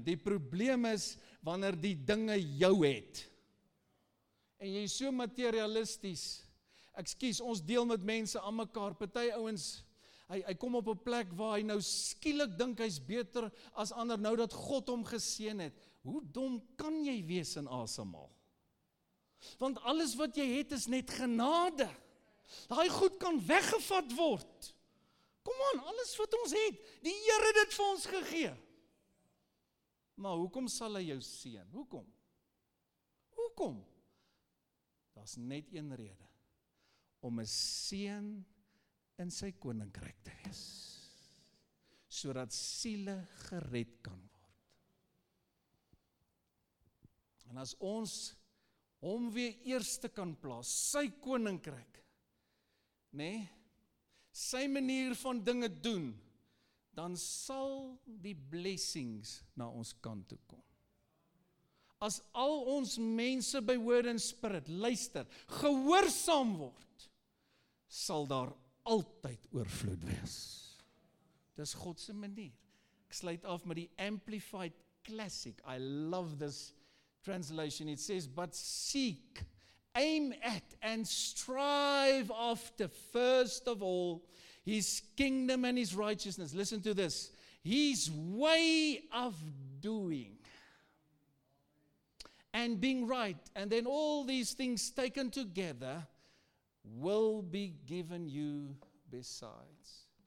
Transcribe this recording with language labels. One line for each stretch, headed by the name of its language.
Afrikaans: Die probleem is, wanneer die dinge jou het, en jy is so materialisties, excuse, ons deel met mense aan mekaar, party ouens, Hy kom op 'n plek waar hy nou skielik dink hy's beter as ander, nou dat God hom geseën het. Hoe dom kan jy wees in asemhaal? Want alles wat jy het is net genade. Daai goed kan weggevat word. Kom aan, alles wat ons het, die Here het dit vir ons gegee. Maar hoekom sal hy jou seën? Hoekom? Hoekom? Daar's net een rede. Om 'n seën in sy koninkryk te wees. Sodat siele gered kan word. En as ons hom weer eerste kan plaas, sy koninkryk, nê? Sy manier van dinge doen, dan sal die blessings na ons kant toe kom. As al ons mense by Word en Spirit luister, gehoorsaam word, sal daar altyd oorvloed wees. Dis God se manier. Ek sluit af met die Amplified Classic.
English: I love this translation. It says, but seek, aim at and strive after first of all His kingdom and His righteousness. Listen to this. His way of doing and being right, and then all these things taken together will be given you besides.